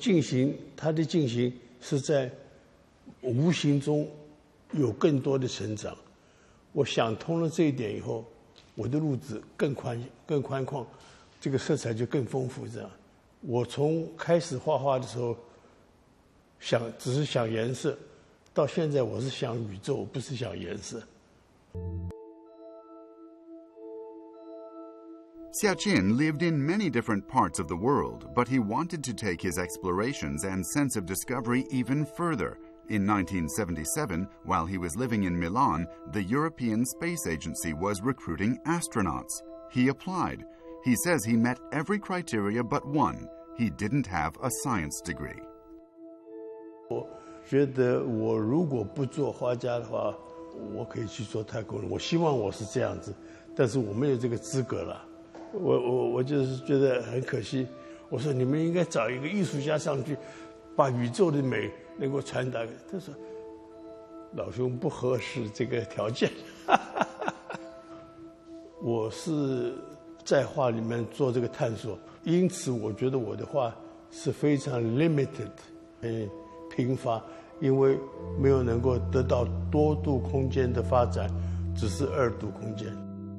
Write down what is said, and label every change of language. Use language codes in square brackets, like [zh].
[zh] 他这个突然去世，对我来讲，就是从生命里少了一块东西。我大概七八个月画不出来，我后来慢慢想通了，这个生命是一直在永续、在进行的，并不是说一个人死了以后就断了，而且进行他的进行是在 无形中有更多的成长，我想通了这一点以后，我的路子更宽阔，这个色彩就更丰富。这样，我从开始画画的时候，只是想颜色，到现在我是想宇宙，不是想颜色。 [en] Hsiao Chin lived in many different parts of the world, but he wanted to take his explorations and sense of discovery even further. In 1977, while he was living in Milan, the European Space Agency was recruiting astronauts. He applied. He says he met every criteria but one. He didn't have a science degree. I think if I don't do an artist, I can go to space. I hope I'm like this, but I don't have this certificate. I think it's very sad. I said, you should go to an artist to the beauty of the universe. [zh] 能够传达，他说：“老兄不合适这个条件。”我是在画里面做这个探索，因此我觉得我的画是非常 limited， 很贫乏，因为没有能够得到多度空间的发展，只是二度空间。